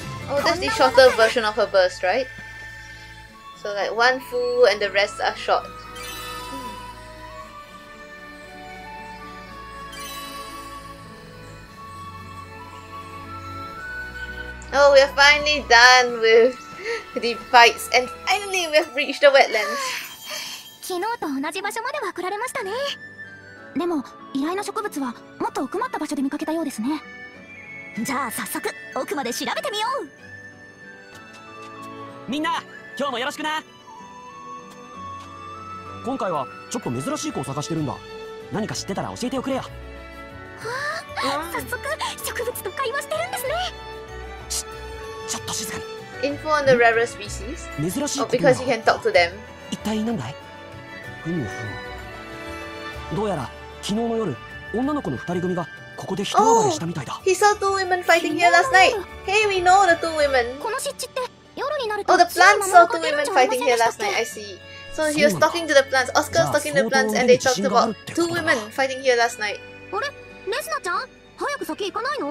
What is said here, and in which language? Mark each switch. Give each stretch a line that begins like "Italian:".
English: Oh, that's the shorter version of her burst, right? So like one full and the rest are short. Oh, we are finally done with the fights and finally we have reached the wetlands.
Japanese: 昨日と同じ場所までは来られましたね。でも、依頼の植物はもっと奥まった場所で見かけたようですね。じゃあ早速、奥まで調べてみよう。みんな、今日もよろしくな。今回はちょっと珍しい子を探してるんだ。何か知ってたら教えておくれよ。はあ、早速植物と会話してるんですね。ちょっと静かに。
English: Info on the rare species?
Japanese: 珍しい
English: 子、oh, because you can talk to them.
Japanese: 一体何だい？ふむふむ。どうやら昨日の夜、女の子の二人組がここで一晩寝したみたいだ。
English: He saw two women fighting here last night. Hey, we know the two women.
Japanese: この湿地って夜になると
English: Oh, the plants saw two women fighting here last night. I see. So he was talking to the plants. Oscar was talking to the plants and they talked about two women fighting here last night.
Japanese: あれ、レスナちゃん、早く先行かないの？